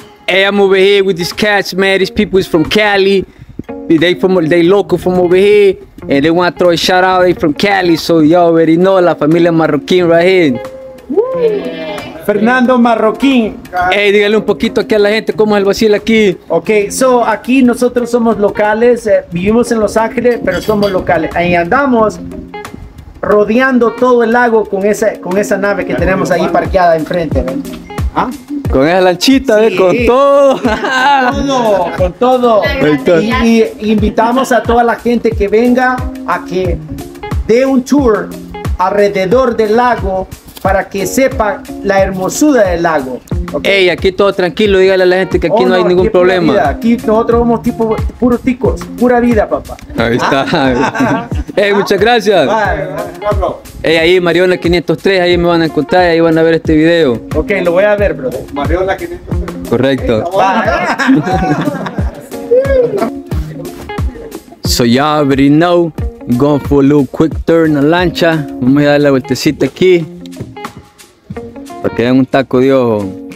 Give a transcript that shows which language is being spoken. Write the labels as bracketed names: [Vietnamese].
[English] Hey, I'm over here with these cats, man. These people is from Cali. They local from over here. And they want to throw a shout out. They from Cali. So y'all already know La Familia Marroquín right here. Woo! Fernando Marroquín. [Spanish] Hey, dígale un poquito aquí a la gente cómo es el vacil aquí. Ok, so aquí nosotros somos locales, vivimos en Los Ángeles, pero somos locales. Ahí andamos rodeando todo el lago con esa nave que tenemos ahí parqueada enfrente. ¿Ah? Con esa lanchita, sí, con todo. Con todo. Y invitamos a toda la gente que venga a que dé un tour alrededor del lago para que sepa la hermosura del lago. [English] Okay. [Spanish] Ey, aquí todo tranquilo, dígale a la gente que aquí no hay ningún aquí problema. Vida. Aquí nosotros somos tipo puros ticos, pura vida, papá. Ahí está. Ey, muchas gracias. Vale. Ey, ahí Mariona 503, ahí me van a encontrar y ahí van a ver este video. Ok, lo voy a ver, bro. Mariona 503. Correcto. [English] So y'all already know, going for a little quick turn a lancha. [Spanish] Vamos a darle la vueltecita aquí. Para que den un taco de ojo.